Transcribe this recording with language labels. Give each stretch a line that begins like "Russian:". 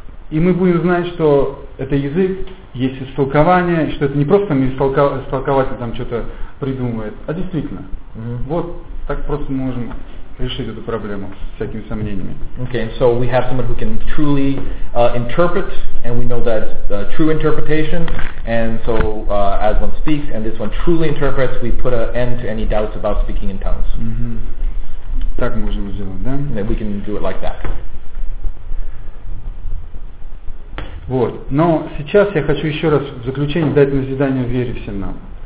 Russian: И мы будем знать, что это язык, есть истолкование, что это не просто истолкователь там что-то придумывает, а действительно. Mm-hmm. Вот так просто мы можем решить эту проблему с всякими сомнениями.
English: Okay, so we have someone who can truly interpret, and we know that true interpretation, and so as one speaks, and this one truly interprets, we put an end to any doubts about speaking in tongues.
Russian: Mm-hmm. Так мы можем сделать, да?
English: And we can do it like that.
Russian: Вот. Но сейчас я хочу еще раз в заключение дать назидание вере всем нам.